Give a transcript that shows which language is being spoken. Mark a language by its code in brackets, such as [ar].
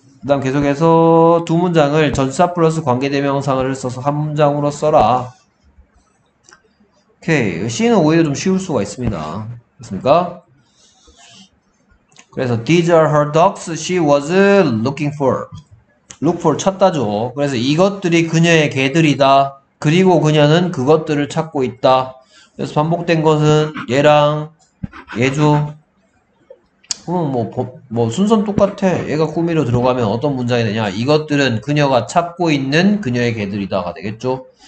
[ko] 그다음 계속해서 두 문장을 전치사 플러스 관계대명사를 써서 한 문장으로 써라. 오케이. C는 오히려 좀 쉬울 수가 있습니다. 그렇습니까? 그래서 [en] these are her dogs she was looking for. [ko] look for 찾다죠. 그래서 이것들이 그녀의 개들이다. 그리고 그녀는 그것들을 찾고 있다. 그래서 반복된 것은 얘랑 얘죠. 뭐 순서는 똑같아. 얘가 꾸미로 들어가면 어떤 문장이 되냐? 이것들은 그녀가 찾고 있는 그녀의 개들이다가 되겠죠.